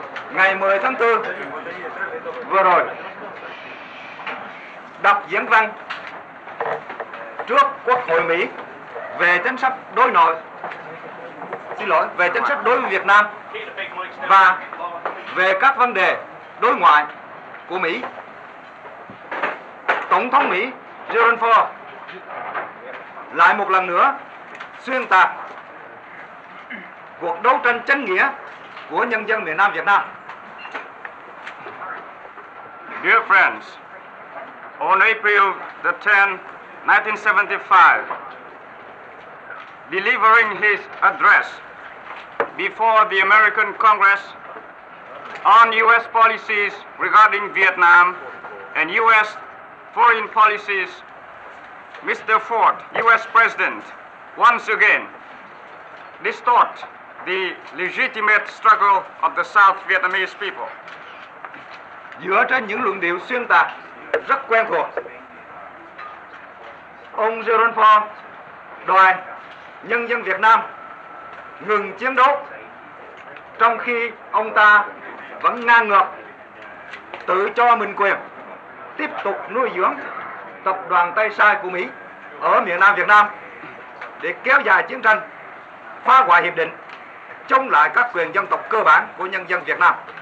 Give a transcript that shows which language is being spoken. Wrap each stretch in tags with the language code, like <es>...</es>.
<vi>ngày 10 tháng 4 vừa rồi, đọc diễn văn trước Quốc hội Mỹ về chính sách đối nội, xin lỗi, về chính sách đối với Việt Nam và về các vấn đề đối ngoại của Mỹ, Tổng thống Mỹ Gerald Ford lại một lần nữa xuyên tạc cuộc đấu tranh chính nghĩa của nhân dân miền Nam Việt Nam.</vi> <en>Dear friends, on April the 10th, 1975, delivering his address before the American Congress on U.S. policies regarding Vietnam and U.S. foreign policies, Mr. Ford, U.S. President, once again distort the legitimate struggle of the South Vietnamese people.</en> <vi>Dựa trên những luận điệu xuyên tạc rất quen thuộc, ông Gerald Ford đòi nhân dân Việt Nam ngừng chiến đấu, trong khi ông ta vẫn ngang ngược tự cho mình quyền tiếp tục nuôi dưỡng tập đoàn tay sai của Mỹ ở miền Nam Việt Nam để kéo dài chiến tranh, phá hoại hiệp định, chống lại các quyền dân tộc cơ bản của nhân dân Việt Nam.</vi>